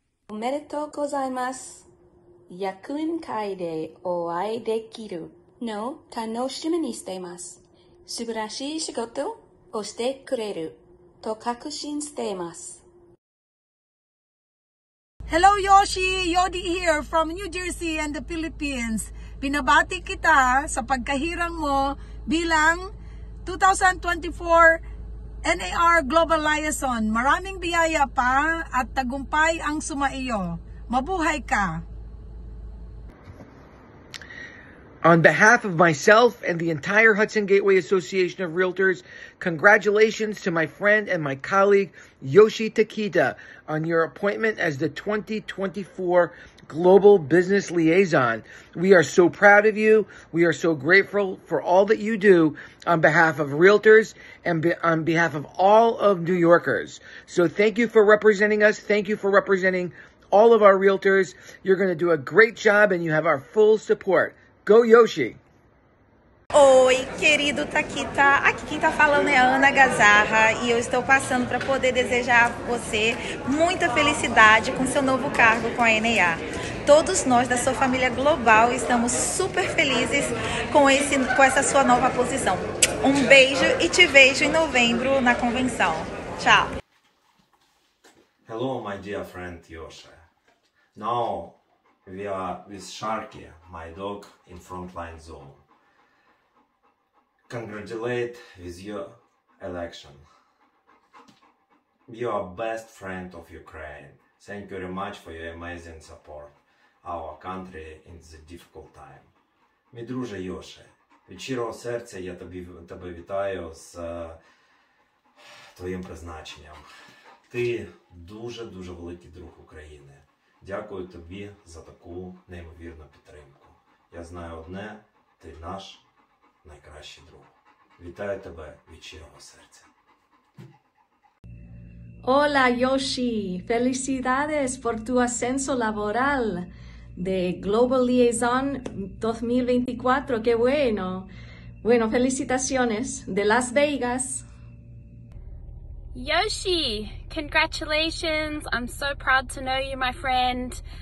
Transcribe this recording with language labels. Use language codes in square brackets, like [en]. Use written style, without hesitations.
[ja] おめでとうございます。役員会でお会いできるの楽しみにしています。素晴らしい仕事をしてくれると確信しています。 [en] Hello Yoshi! Yodi here from New Jersey and the Philippines. [tl] Binabati kita sa pagkahirang mo bilang 2024... NAR Global Liaison, maraming biyaya pa at tagumpay ang sumaiyo. Mabuhay ka! [en] On behalf of myself and the entire Hudson Gateway Association of Realtors, congratulations to my friend and my colleague, Yoshi Takita, on your appointment as the 2024 Global Business Liaison. We are so proud of you. We are so grateful for all that you do on behalf of Realtors and on behalf of all of New Yorkers. So thank you for representing us. Thank you for representing all of our Realtors. You're going to do a great job and you have our full support. Go Yoshi! [pt] Oi, querido Takita. Aqui quem tá falando é a Ana Gazarra e eu estou passando para poder desejar a você muita felicidade com seu novo cargo com a NAR. Todos nós da sua família global estamos super felizes com essa sua nova posição. Um beijo e te vejo em novembro na convenção. Tchau! [en] Hello, my dear friend Yosha. Now we are with Sharky, my dog in frontline zone. Congratulate with your election. You are best friend of Ukraine. Thank you very much for your amazing support our country in the difficult time. [uk] Мій друже Йоше, від щирого серця я тебе вітаю з твоїм призначенням. Ти дуже-дуже великий друг України. Дякую тобі за таку неймовірну підтримку. Я знаю одне, ти наш найкращий друг. Вітаю тебе від щирого серця. [es] Hola Yoshi, felicidades por tu ascenso laboral de Global Liaison 2024, qué bueno. Bueno, felicitaciones de Las Vegas. [en] Yoshi, congratulations, I'm so proud to know you, my friend.